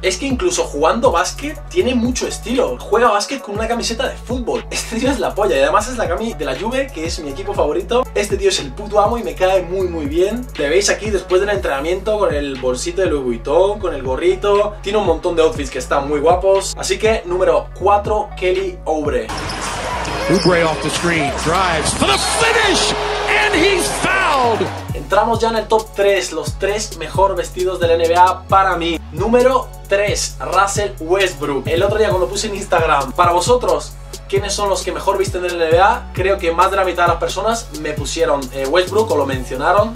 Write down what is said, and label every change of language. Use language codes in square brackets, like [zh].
[es] Es que incluso jugando básquet tiene mucho estilo. Juega básquet con una camiseta de fútbol. Este tío es la polla y además es la camiseta de la Juve, que es mi equipo favorito. Este tío es el puto amo y me cae muy, muy bien. Le veis aquí después del entrenamiento con el bolsito de Louis Vuitton, con el gorrito. Tiene un montón de outfits que están muy guapos. Así que, número 4, Kelly Oubre. [en] Oubre off the screen, drives for the finish, and he's fouled. [es] Entramos ya en el top 3, los 3 mejor vestidos del NBA para mí. Número 3, Russell Westbrook. El otro día cuando puse en Instagram, para vosotros, ¿quiénes son los que mejor visten del NBA? Creo que más de la mitad de las personas me pusieron Westbrook o lo mencionaron.